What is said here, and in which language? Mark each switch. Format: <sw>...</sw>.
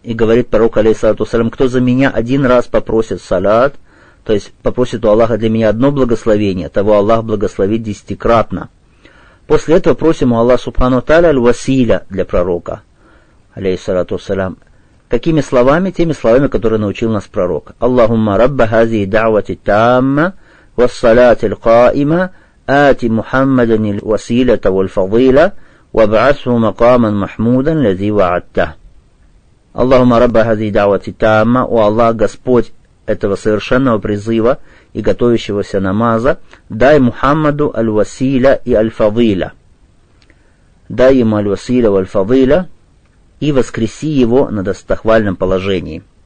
<ru>И говорит пророк, алейхиссалату ассалям, «Кто за меня один раз попросит салат, то есть попросит у Аллаха для меня одно благословение, того Аллах благословит десятикратно». После этого просим у Аллаха, субхану тааля, аль-василя для пророка, алейхиссалату ассалям. Какими словами? Теми словами, которые научил нас пророк.</ru> <ar>«Аллахумма рабба хази дауати тамма, вассалати лькаима». آتي محمدا الوسيلة والفضيلة وابعثه مقاما محمودا الذي وعدته. اللهم رب هذه دعوة التامة والله</ar> <ru>Господь этого совершенного призыва и готовящегося намаза, дай Мухаммаду الوسيلة и الفضيلة. Дай ему</ru> <ar>الوسيلة والفضيلة</ar> <ru>и воскреси его на достохвальном положении.</ru>